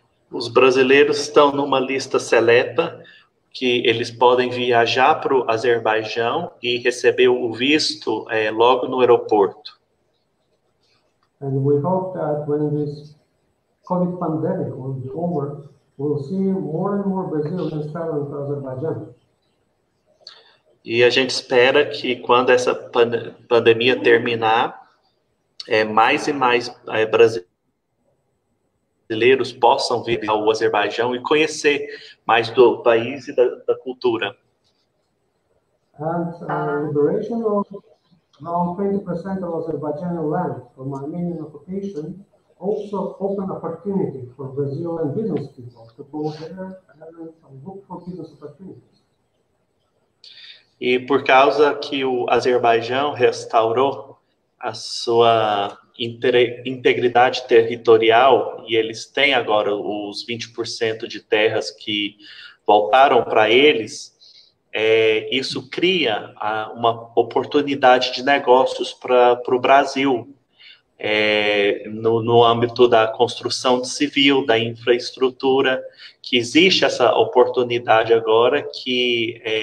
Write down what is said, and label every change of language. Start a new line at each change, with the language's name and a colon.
Portuguese: Os brasileiros estão numa lista seleta que eles podem viajar para o Azerbaijão e receber o visto, logo no aeroporto.
English: And we hope that when this COVID pandemic will be over, we'll see more and more Brazilians traveling to Azerbaijan.
Portuguese: E a gente espera que quando essa pandemia terminar, mais e mais brasileiros possam vir ao Azerbaijão e conhecer mais do país e da cultura.
English: And liberation of around 20% of Azerbaijani land from Armenian occupation also open opportunity for Brazilian business people to go there and look for business opportunities.
Portuguese: E por causa que o Azerbaijão restaurou a sua integridade territorial, e eles têm agora os 20% de terras que voltaram para eles, isso cria uma oportunidade de negócios para o Brasil, no âmbito da construção civil, da infraestrutura, que existe essa oportunidade agora que